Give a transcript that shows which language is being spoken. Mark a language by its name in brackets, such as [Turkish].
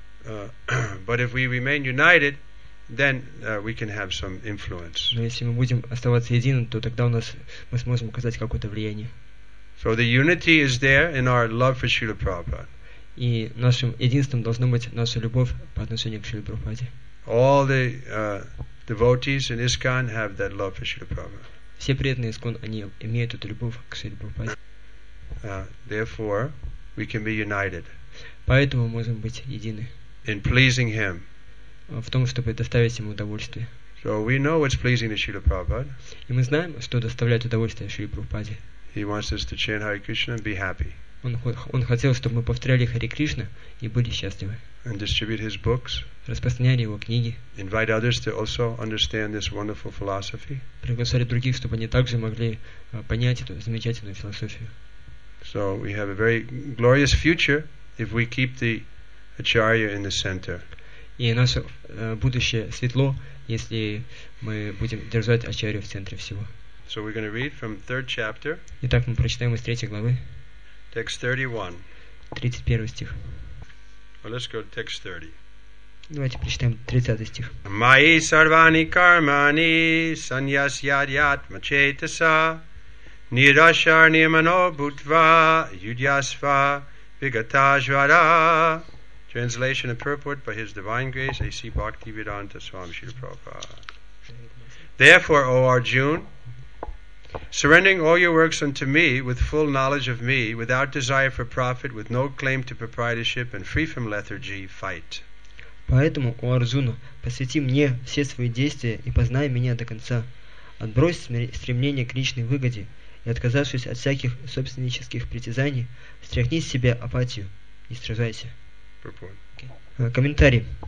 [English] But if we remain united, then we can have some influence. [Russian] Но если мы будем оставаться единым, то тогда мы сможем оказать какое-то влияние. [English] So the unity is there in our love for Srila Prabhupada. [Russian] И нашим единством должна быть наша любовь по отношению к Шриле Прабхупаде. [English] All the devotees in ISKCON have that love for Srila Prabhupada. [Russian] Все преданные ISKCON, они имеют эту любовь к Шриле Прабхупаде. [English] Therefore, we can be united. [Russian] Поэтому мы можем быть едины. [English] In pleasing him. [Russian] В том, чтобы доставить ему удовольствие. [English] So we know what's pleasing to Srila Prabhupada. [Russian] И мы знаем, что доставляет удовольствие Шриле Прабхупаде. [English] He wants us to chant Hare Krishna and be happy. [Russian] Он хотел, чтобы мы повторяли Хари Кришна и были счастливы. [English] And distribute his books. [Russian] Распространяли его книги. [English] Invite others to also understand this wonderful philosophy. [Russian] Приглашали других, чтобы они также могли понять эту замечательную философию. [English] So we have a very glorious future if we keep the acharya in the center. [Russian] И наше будущее светло, если мы будем держать ачарью в центре всего. [English] So we're going to read from third chapter. [Russian] Итак, мы прочитаем из третьей главы. [English] Text 31. [Russian] 31 стих. [English] Well, let's go to text 30. [Russian] Давайте прочитаем 30 стих. [Sanskrit] Майи сарвани кармани саньясьядьятма чейтаса нирашарнимано бутва юдьясва вигатажвара. [English] Translation and purport by His Divine Grace, A.C. Bhaktivedanta Swami Srila Prabhupada. Therefore, O Arjuna, surrendering all your works unto me with full knowledge of me, without desire for profit, with no claim to proprietorship, and free from lethargy, fight. [Russian] Поэтому, о Арджуна, посвяти мне все свои действия и познай меня до конца. Отбрось стремление к личной выгоде и, отказавшись от всяких собственнических притязаний, стряхни с себя апатию и сражайся. Комментарий.